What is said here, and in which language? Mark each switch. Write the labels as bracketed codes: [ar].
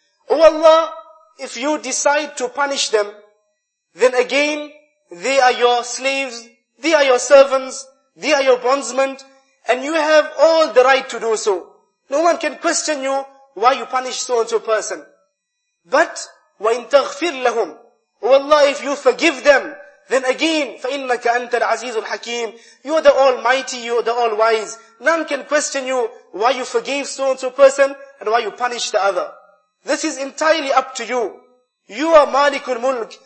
[en] O Allah, if you decide to punish them, then again, they are your slaves, they are your servants, they are your bondsmen, and you have all the right to do so. No one can question you why you punish so and so person. [ar] But, وَإِن تَغْفِرْ لَهُمْ. [en] O Allah, if you forgive them, then again, [ar] فَإِنَّكَ أَنْتَ الْعَزِيزُ الْحَكِيمُ. [en] You are the Almighty, you are the All-Wise. None can question you why you forgave so and so person, and why you punish the other. This is entirely up to you. You are Malikul Mulk.